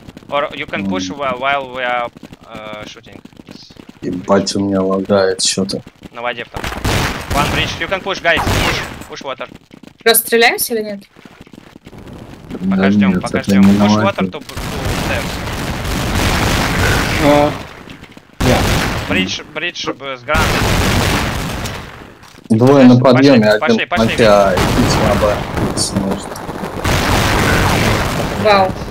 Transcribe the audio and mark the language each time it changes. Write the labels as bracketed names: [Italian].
[English] Or you can push while we are shooting. [Russian] Ебать, у меня лагает чё-то. На воде там. [English] One bridge, you can push, guys, push water. [Russian] Просто стреляемся или нет? Пока ждём. [English] Push water, to steps. [Russian] Бридж с гранатой. Двое на подъеме, один пошли. Вау.